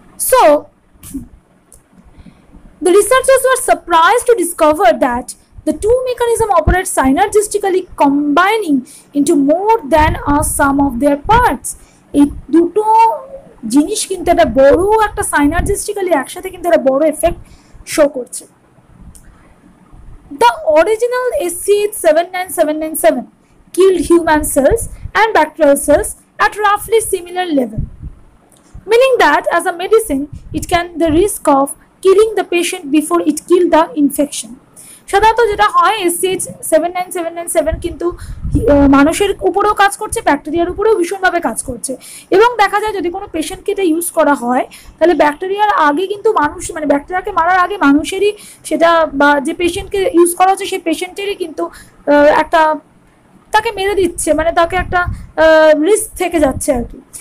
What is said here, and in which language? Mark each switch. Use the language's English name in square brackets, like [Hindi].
[English] So the researchers were surprise to discover that the two mechanism operate synergistically combining into more than a sum of their parts. [Bangla] এই দুটো জিনিস কিন্তু একটা বড় একটা সাইনার্জিস্টিক্যালি একসাথে কিন্তু একটা বড় এফেক্ট শো করছে। [English] The original SCH-79797 killed human cells and bacterial cells at roughly similar level, meaning that as a medicine, it can the risk of killing the patient before it killed the infection. [Bangla] সাধারণত যেটা হয় SCH-79797 কিন্তু মানুষের উপরেও কাজ করছে, ব্যাকটেরিয়ার উপরেও ভীষণভাবে কাজ করছে, এবং দেখা যায় যদি কোনো পেশেন্টকে এটা ইউজ করা হয় তাহলে ব্যাকটেরিয়ার আগে কিন্তু মানুষ মানে ব্যাকটেরিয়াকে মারার আগে মানুষেরই সেটা বা যে পেশেন্টকে ইউজ করা হচ্ছে সেই পেশেন্টেরই কিন্তু একটা তাকে মেরে দিচ্ছে, মানে তাকে একটা রিস্ক থেকে যাচ্ছে আর কি।